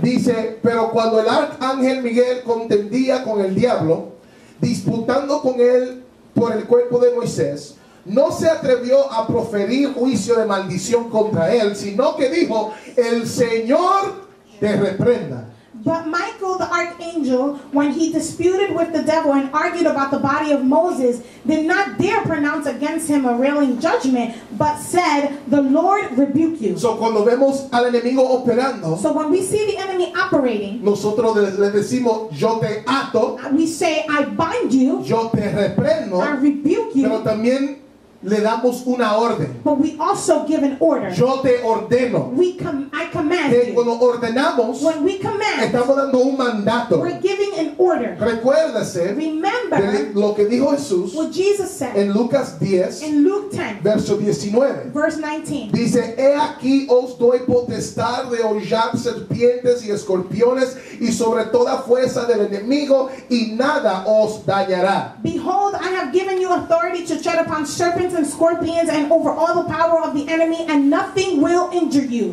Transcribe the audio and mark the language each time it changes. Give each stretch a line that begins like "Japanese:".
Spanish: dice, pero cuando el arcángel Miguel contendía con el diablo, disputando con él por el cuerpo de Moisés, no se atrevió a proferir juicio de maldición contra él, sino que dijo, el Señor te reprenda.
English: But Michael, the archangel, when he disputed with the devil and argued about the body of Moses, did not dare pronounce against him a railing judgment, but said, the Lord rebuke you.
Spanish: So, cuando vemos al enemigo operando,
English: so when we see the enemy operating,
Spanish: nosotros le decimos, yo te ato,
English: we say, I bind you,
Spanish: yo te reprendo,
English: I rebuke you,
Spanish: pero también le damos una orden.
English: But we also give an order.
Spanish: Yo te ordeno.
English: I command
Spanish: que cuando ordenamos,
English: when we command,
Spanish: estamos dando un mandato.
English: We're giving an order.
Spanish: Recuérdese,
English: remember
Spanish: lo que dijo Jesús,
English: what Jesus said
Spanish: en Lucas 10,
English: in Luke 10,
Spanish: verso 19,
English: verse 19.
Spanish: Dice, he aquí os doy potestad de hollar serpientes y escorpiones y sobre toda fuerza del enemigo y nada os dañará.
English: Behold, I have given you authority to tread upon serpents and scorpions and over all the power of the enemy and nothing will injure you.